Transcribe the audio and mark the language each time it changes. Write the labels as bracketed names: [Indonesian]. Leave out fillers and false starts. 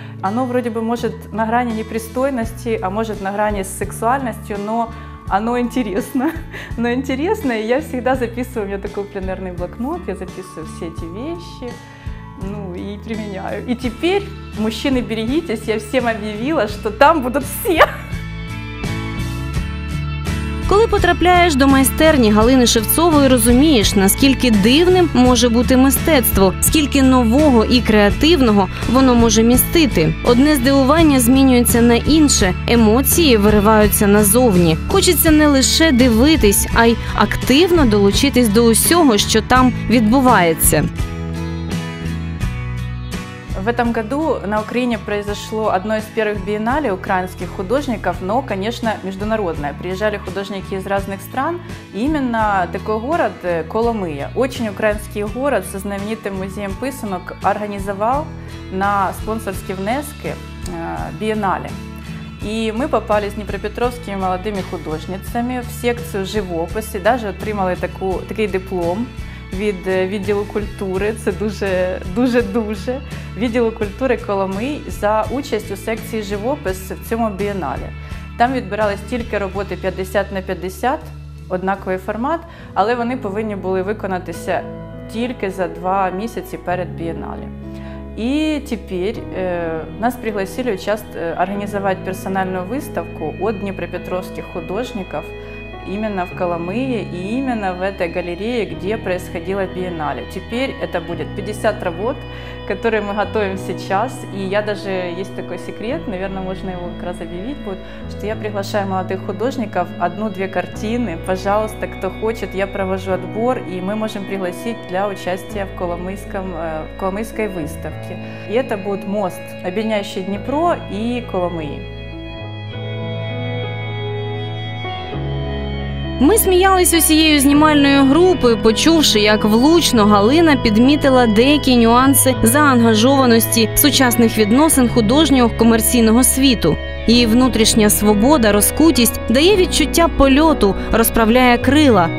[Russian] Оно вроде бы может на грани непристойности, а может на грани с сексуальностью, но оно интересно. Но интересно, и я всегда записываю, у меня такой пленерный блокнот, я записываю все эти вещи, ну и применяю. И теперь, мужчины, берегитесь, я всем объявила, что там будут все. [Ukrainian] Коли потрапляєш до майстерні Галини Шевцової, розумієш, наскільки дивним може бути мистецтво, скільки нового і креативного воно може містити. Одне здивування змінюється на інше, емоції вириваються назовні. Хочеться не лише дивитись, а й активно долучитись до усього, що там відбувається. [Russian] В этом году на Украине произошло одно из первых биеннале украинских художников, но, конечно, международное. Приезжали художники из разных стран, и именно такой город Коломия, очень украинский город со знаменитым музеем писанок, организовал на спонсорские внески биеннале. И мы попали с днепропетровскими молодыми художницами в секцию живописи, даже [Ukrainian] отримали такий диплом від відділу культури, це дуже-дуже-дуже, відділу культури Коломий за участь у секції живопис в цьому бієналі. Там відбирались тільки роботи 50 на 50, однаковий формат, але вони повинні були виконатися тільки за 2 місяці перед бієналі. І тепер нас пригласили організувати персональну виставку від дніпропетровських художників [Russian] именно в Коломиї і именно в этой галереї, где происходило биеннале. Теперь это будет 50 работ, которые мы готовим сейчас. И я даже, есть такой секрет, наверное, можно его как раз объявить будет, что я приглашаю молодых художников 1-2 картины. Пожалуйста, кто хочет, я провожу отбор, и мы можем пригласить для участия в Коломийской выставке. И это будет мост, объединяющий Днепро и Коломиї. [Ukrainian] Ми сміялись усією знімальною групою, почувши, як влучно Галина підмітила деякі нюанси заангажованості сучасних відносин художнього комерційного світу. Її внутрішня свобода, розкутість дає відчуття польоту, розправляє крила.